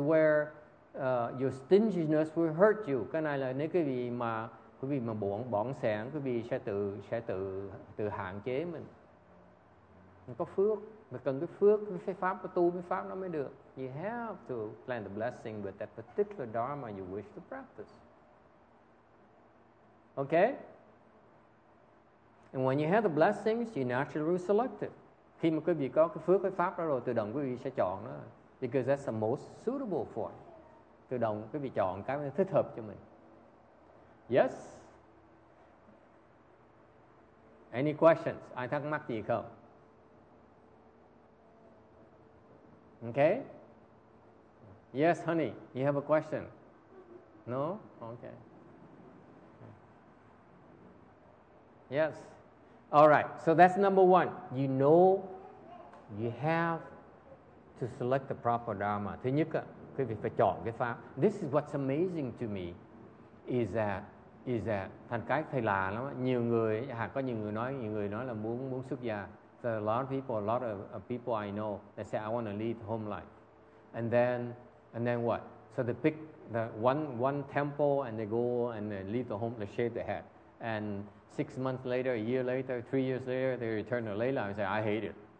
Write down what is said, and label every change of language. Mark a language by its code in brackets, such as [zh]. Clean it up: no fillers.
[en] This is where your stinginess will hurt you. [vi] Cái này là nếu quý vị mà bỏng sẻn, quý vị sẽ tự hạn chế mình. Mình có phước, mình cần cái phước, cái pháp của tu, cái pháp nó mới được. [en] You have to plan the blessing with that particular dharma you wish to practice. Okay? And when you have the blessings, you naturally select it. [vi] Khi mà quý vị có cái phước, cái pháp đó rồi, tự động quý vị sẽ chọn nó. [en] Because that's the most suitable for it. [vi] Tự động quý vị chọn cái thích hợp cho mình. [en] Yes? Any questions? [vi] Ai thắc mắc gì không? [en] Okay? Yes, honey, you have a question? No? Okay. Yes. All right, so that's number one. You know... You have to select the proper dharma. [vi] Thứ nhất, quý vị phải chọn cái pháp. [en] This is what's amazing to me is that [vi] thành cái thầy lạ lắm. Nhiều người, hoặc có nhiều người nói là muốn xuất gia. [en] So a lot of people I know that say I want to lead home life. And then what? So they pick the one temple and they go and they leave the home, they shave their head. And 6 months later, a year later, 3 years later, they return to Layla and say, I hate it.